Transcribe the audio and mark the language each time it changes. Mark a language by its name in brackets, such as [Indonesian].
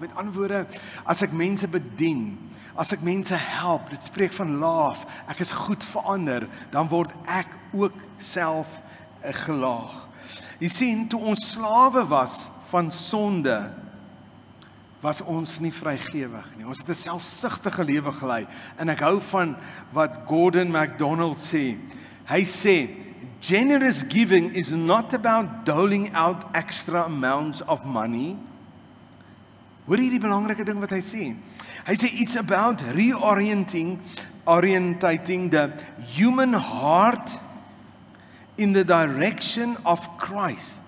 [Afrikaans] Met ander woorde, as ek mense bedien, as ek mense help, dit spreek van laaf, ek is goed vir ander, dan word ek ook self gelaag. Jy sien, toe ons slawe was van sonde, was ons nie vrygewig nie. Ons het 'n selfsugtige lewe gelei. En ek hou van wat Gordon MacDonald sê. Hy sê, [English] generous giving is not about doling out extra amounts of money. [Afrikaans] Hoor jy die belangrike ding wat hy sê? Hy sê, [English] it's about reorientating the human heart in the direction of Christ.